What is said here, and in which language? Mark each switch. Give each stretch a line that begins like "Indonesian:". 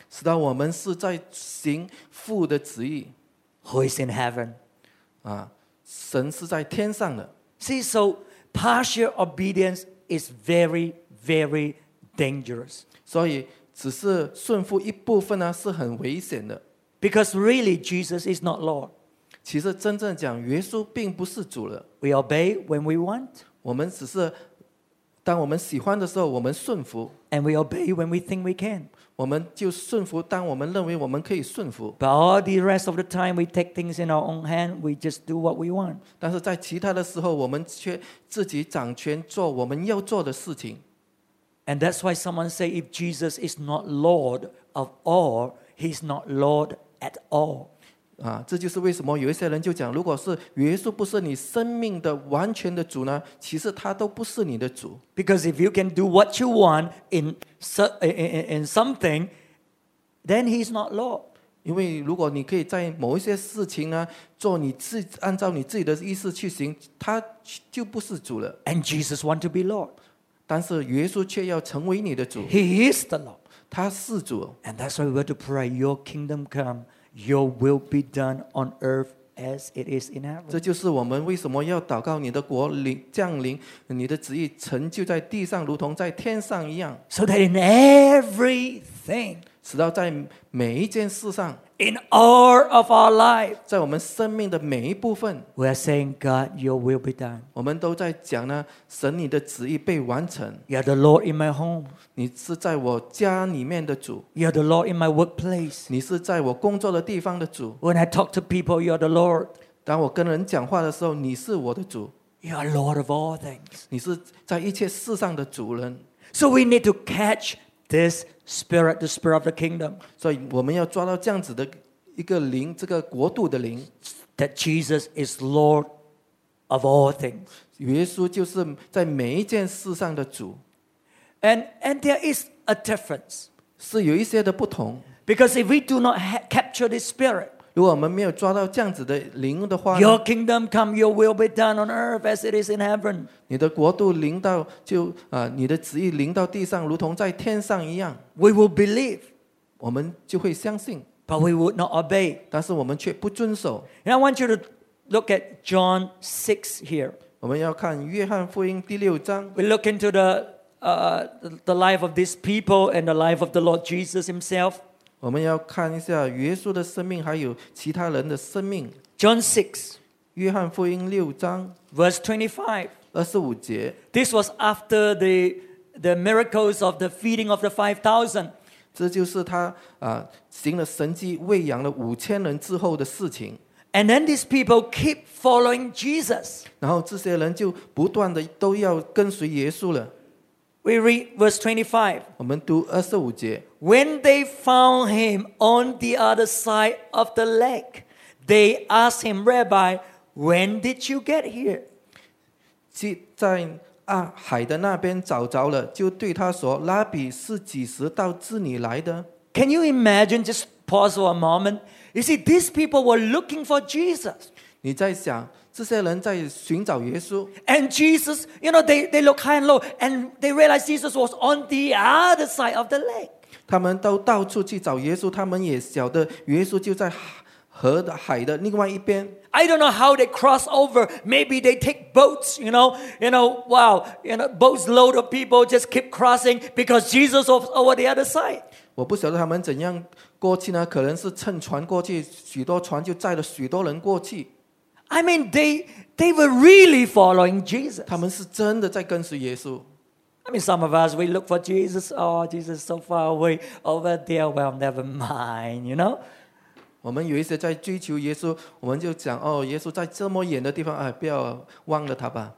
Chinese: 使到我们是在行父的旨意
English: Who is in heaven
Chinese: 神是在天上的
English: See so partial obedience is very very dangerous.
Chinese: 所以只是顺服一部分呢是很危险的。
English: Because really Jesus is not Lord.
Chinese: 其实真正讲耶稣并不是主了。
English: We obey when we want.
Chinese: 我们只是当我们喜欢的时候我们顺服。
English: And we obey when we think we can.
Chinese: 我们就顺服当我们认为我们可以顺服。
English: But all the rest of the time we take things in our own hand, we just do what we want.
Chinese: 但是在其他的时候我们却自己掌权做我们要做的事情。
English: And that's why someone say if Jesus is not Lord of all, he's not Lord at all.
Chinese: 这就是为什么有一些人就讲，如果是耶稣不是你生命的完全的主呢，其实他都不是你的主。
English: Because if you can do what you want in something, then he's not Lord.
Chinese: 因为如果你可以在某一些事情呢，做你自按照你自己的意思去行，他就不是主了。
English: And Jesus want to be Lord.
Chinese: 但是耶稣却要成为你的主
English: He is the Lord
Chinese: 他是主
English: And that's why we have to pray Your kingdom come Your will be done on earth as it is in heaven
Chinese: 这就是我们为什么要祷告你的国降临你的旨意成就在地上如同在天上一样
English: So that in everything
Chinese: 使到在每一件事上
English: In all of our life
Chinese: 在我们生命的每一部分
English: We are saying God your will be done
Chinese: 我们都在讲呢神你的旨意被完成
English: You are the Lord in my home
Chinese: 你是在我家里面的主
English: You are the Lord in my workplace
Chinese: 你是在我工作的地方的主
English: When I talk to people you are the Lord
Chinese: 当我跟人讲话的时候你是我的主
English: You are Lord of all things
Chinese: 你是在一切事上的主人
English: So we need to catch this spirit, the spirit of the kingdom.
Chinese: 所以我们要抓到这样子的一个灵，这个国度的灵。
English: That Jesus is Lord of all things.
Chinese: 耶稣就是在每一件事上的主。
English: And there is a difference.
Chinese: 是有一些的不同。
English: Because if we do not capture this spirit.
Chinese: 如果我们没有抓到这样子的灵的话，
English: Your kingdom come, your will be done on earth as it is in heaven.
Chinese: 你的国度临到就你的旨意临到地上，如同在天上一样。
English: We will believe,
Chinese: 我们就会相信。
English: But we would not obey,
Chinese: 但是我们却不遵守。
English: And I want you to look at John 6 here.
Chinese: 我们要看约翰福音第六章。
English: We look into the life of these people and the life of the Lord Jesus Himself.
Chinese: 我们要看一下耶稣的生命，还有其他人的生命。
English: John 6,
Chinese: 约翰福音六章
English: ，verse 25,
Chinese: 二十五节。
English: This was after the miracles of the feeding of the 5,000.
Chinese: 这就是他行了神迹，喂养了五千人之后的事情。
English: And then these people keep following Jesus.
Chinese: 然后这些人就不断的都要跟随耶稣了。
English: We read verse 25.
Chinese: 我们读二十五节。
English: When they found him on the other side of the lake, they asked him, Rabbi, when did you get here?
Chinese: 在海的那边找着了，就对他说，拉比是几时到这里来的？
English: Can you imagine, just pause for a moment, you see, these people were looking for Jesus.
Chinese: 你在想这些人在寻找耶稣。
English: And Jesus, you know, they look high and low, and they realize Jesus was on the other side of the lake.
Chinese: 他们都到处去找耶稣，他们也晓得耶稣就在河的海的另外一边。
English: I don't know how they cross over. Maybe they take boats, boats load of people just keep crossing because Jesus was over the other side.
Chinese: 我不晓得他们怎样过去呢？可能是乘船过去，许多船就载了许多人过去。
English: I mean, they were really following Jesus.
Chinese: 他们是真的在跟随耶稣。
English: I mean, some of us, we look for Jesus. Oh, Jesus is so far away over there. Well, never mind, you know?
Chinese: 我们有一些在追求耶稣，我们就讲，哦，耶稣在这么远的地方，哎，不要忘了他吧。